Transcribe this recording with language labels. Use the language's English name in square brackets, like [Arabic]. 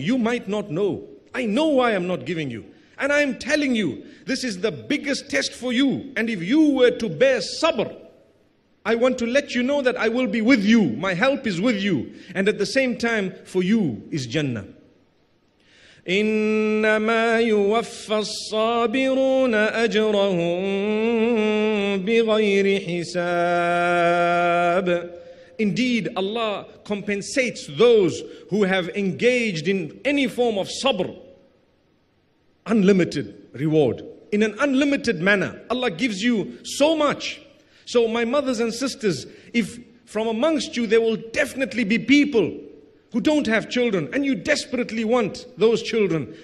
[English] You might not know. I know why I'm not giving you. And I am telling you, this is the biggest test for you. And if you were to bear sabr, I want to let you know that I will be with you. My help is with you. And at the same time, for you is Jannah. [Arabic] إنما يوفى الصابرون أجرهم بغير حساب. [English] Indeed, Allah compensates those who have engaged in any form of sabr, unlimited reward, in an unlimited manner. Allah gives you so much. So my mothers and sisters, if from amongst you there will definitely be people who don't have children and you desperately want those children.